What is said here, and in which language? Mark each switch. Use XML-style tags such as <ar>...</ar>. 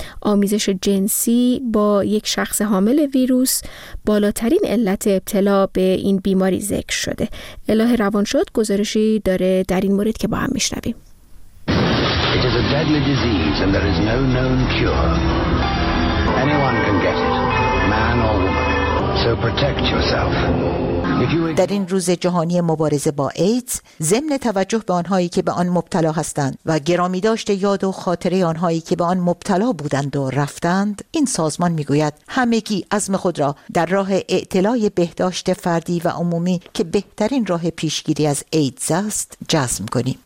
<fa>آمیزش جنسی با یک شخص حامل ویروس بالاترین علت ابتلا به این بیماری ذکر شده. الهه روانشاد گزارشی داره در این مورد که با هم میشنویم.</fa> <en>It is a deadly disease and there is no known cure. Anyone can get it, man or woman. So protect yourself.</en> <fa>در این روز جهانی مبارزه با ایدز، ضمن توجه به آنهایی که به آن مبتلا هستند و گرامی داشت یاد و خاطره آنهایی که به آن مبتلا بودند و رفتند، این سازمان میگوید همگی عزم خود را در راه اعتلاء بهداشت فردی و عمومی که بهترین راه پیشگیری از ایدز است، جزم کنیم.</fa>